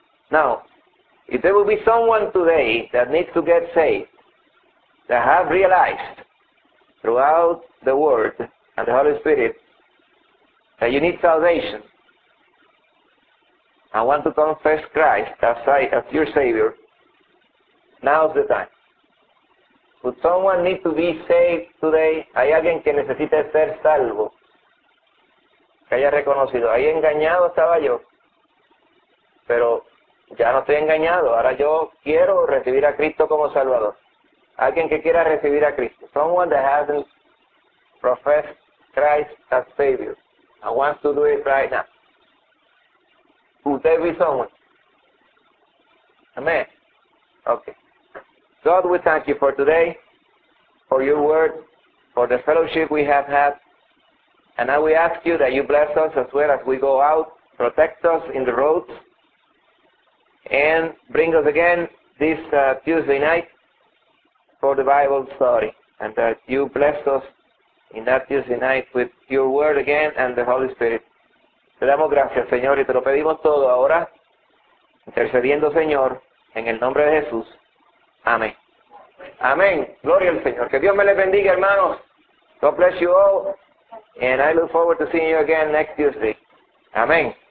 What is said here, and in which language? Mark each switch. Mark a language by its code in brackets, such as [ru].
[en] Now, if there will be someone today that needs to get saved, that have realized throughout the Word and the Holy Spirit that you need salvation and want to confess Christ as your Savior, now's the time. Would someone need to be saved today? [es] ¿Hay alguien que necesite ser salvo? Que haya reconocido. Ahí engañado estaba yo. Pero ya no estoy engañado. Ahora yo quiero recibir a Cristo como Salvador. Alguien que quiera recibir a Cristo. [en] Someone that hasn't professed Christ as Savior and wants to do it right now. Would there be someone? Amen. Okay. God, we thank you for today, for your word, for the fellowship we have had. And now we ask you that you bless us as well as we go out. Protect us in the roads. And bring us again this Tuesday night for the Bible study, and that you bless us in that Tuesday night with your word again and the Holy Spirit. [es] Te damos gracias, Señor, y te lo pedimos todo ahora, intercediendo, Señor, en el nombre de Jesús. Amén. Amén. Gloria al Señor. Que Dios me les bendiga, hermanos. [en] God bless you all, and I look forward to seeing you again next Tuesday. Amén.